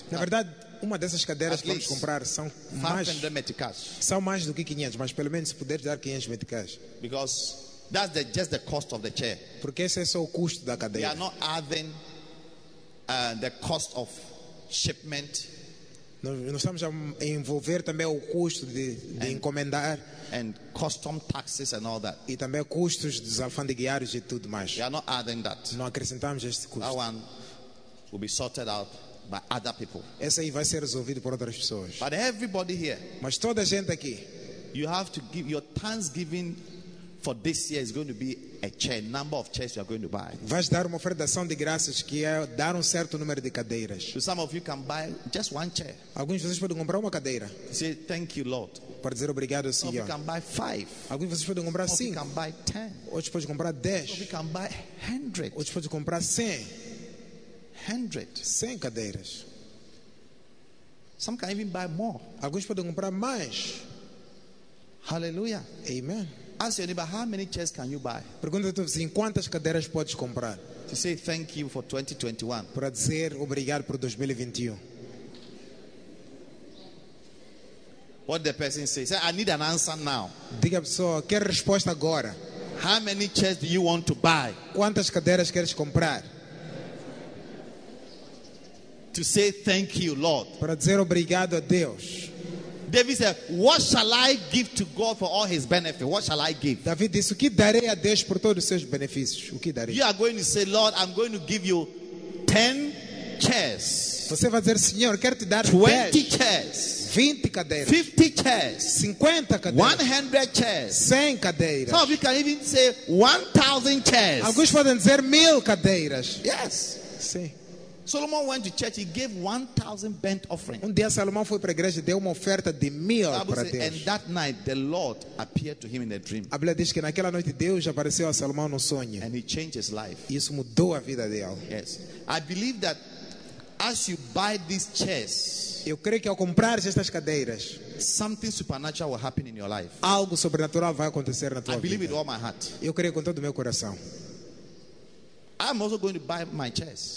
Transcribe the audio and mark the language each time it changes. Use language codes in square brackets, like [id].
[pt] Na verdade, uma dessas cadeiras que vamos comprar são 500 meticais. São mais do que 500, mas pelo menos se puder dar 500 meticais. [en] Because that's just the cost of the chair. [pt] Porque esse é só o custo da cadeira. [en] We are not adding the cost of shipment. [pt] Nós estamos a envolver também o custo de encomendar. [en] And custom taxes and all that. [pt] E também custos dos alfandegários e tudo mais. [en] We are not adding that. [pt] Não acrescentamos este custo. [en] That one will be sorted out by other people. [pt] Esse aí vai ser resolvido por outras pessoas. [en] But everybody here. [pt] Mas toda a gente aqui. [en] You have to give your Thanksgiving for this year is going to be a chair, number of chairs you are going to buy. [pt] Vais dar uma oferta de graças que é dar certo número de cadeiras. [en] Some of you can buy just one chair. [pt] Alguns de vocês podem comprar uma cadeira. [en] Say thank you, Lord. [pt] Para dizer obrigado, Senhor. [en] Some of you can buy five. [pt] Alguns de vocês podem comprar cinco. [en] Some of you can buy 10. [pt] Outros podem comprar 10. [en] Some of you can buy 100. [pt] Outros podem comprar 100. [en] 100. [pt] 100 cadeiras. [en] Some can even buy more. [pt] Alguns podem comprar mais. [en] Hallelujah. [pt] Amen. [en] Ask your neighbor, how many chairs can you buy? [pt] Pergunta teu vizinho, quantas cadeiras podes comprar? [en] To say thank you for 2021. [pt] Para dizer obrigado por 2021. [en] what the person says. Say, I need an answer now. [pt] Diga pessoa, quero resposta agora. [en] How many chairs do you want to buy? [pt] Quantas cadeiras queres comprar? [en] To say thank you, Lord. [pt] Para dizer obrigado a Deus. [en] David said, what shall I give to God for all his benefit? What shall I give? [pt] David disse, o que darei a Deus por todos os seus benefícios? O que darei? [en] You are going to say, Lord, I'm going to give you 10 chairs. [pt] Você vai dizer, Senhor, quero te dar [en] 20 chairs. [pt] 20 cadeiras. [en] 50 chairs. [pt] 50 cadeiras. [en] 100 chairs. [pt] 100 cadeiras. [en] Some of you can even say 1,000 chairs. [pt] Alguns podem dizer 1,000 cadeiras. [en] Yes. [pt] Sim. [en] Solomon went to church, he gave 1,000 burnt offerings. [pt] Um dia Salomão foi para a igreja e deu uma oferta de 1,000 para Deus. [en] And that night the Lord appeared to him in a dream. [pt] A Bíblia diz que naquela noite Deus apareceu a Salomão no sonho. [en] And he changed his life. [pt] E isso mudou a vida dele. [en] Yes. I believe that as you buy this chairs, [pt] eu creio que ao comprar estas cadeiras, [en] something supernatural will happen in your life. [pt] Algo sobrenatural vai acontecer na tua vida. [en] I believe with all my heart. [pt] Eu creio com todo o meu coração. [en] I'm also going to buy my chairs.